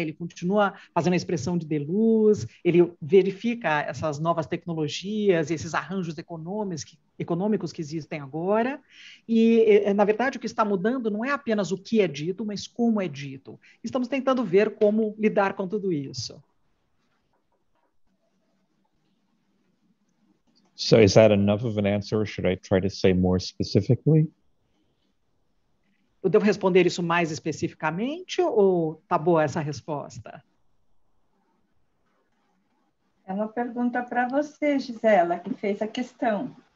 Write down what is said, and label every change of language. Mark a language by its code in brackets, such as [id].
[pt] Ele continua fazendo a expressão de Deleuze, ele verifica essas novas tecnologias, esses arranjos econômicos que existem agora. E, na verdade, o que está mudando não é apenas o que é dito, mas como é dito. Estamos tentando ver como lidar com tudo isso. [en] So is that enough of an answer, or should I try to say more specifically? [pt] Eu devo responder isso mais especificamente, ou tá boa essa resposta? É uma pergunta para você, Gisela, que fez a questão.